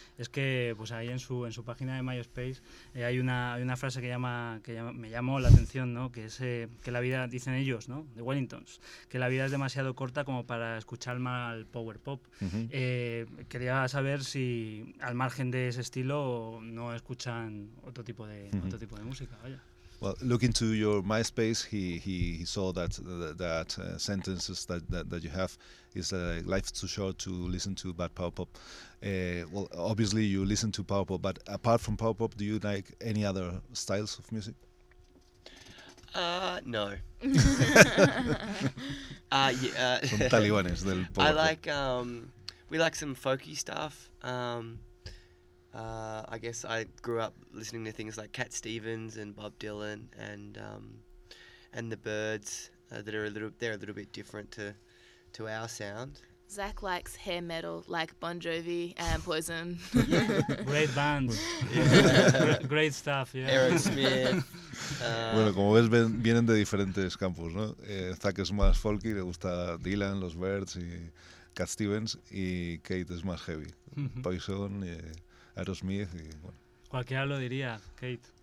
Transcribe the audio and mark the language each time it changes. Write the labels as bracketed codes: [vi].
[es] Es que pues ahí en su página de MySpace hay una frase me llamó la atención, ¿no? Que es que la vida, dicen ellos, ¿no? The Wellingtons, que la vida es demasiado corta como para escuchar mal power pop. Uh-huh. Quería saber si al margen de ese estilo no escuchas otro tipo de música, vaya. [en] Well, looking to your MySpace, he saw that sentences that you have is life too short to listen to bad power pop. Well, obviously you listen to power pop, but apart from power pop, do you like any other styles of music? No. Some [es] talibanes del [en] power pop. We like some folky stuff. I guess I grew up listening to things like Cat Stevens and Bob Dylan and the Byrds they're a little bit different to our sound. Zach likes hair metal, like Bon Jovi and Poison. Great bands. Great stuff, yeah. Aerosmith. [es] Bueno, como ves, vienen de diferentes campos, ¿no? Zach es más folky, le gusta Dylan, los Byrds y Cat Stevens, y Kate es más heavy. Mm-hmm. Poison y Aerosmith, y bueno. Cualquiera lo diría, Kate.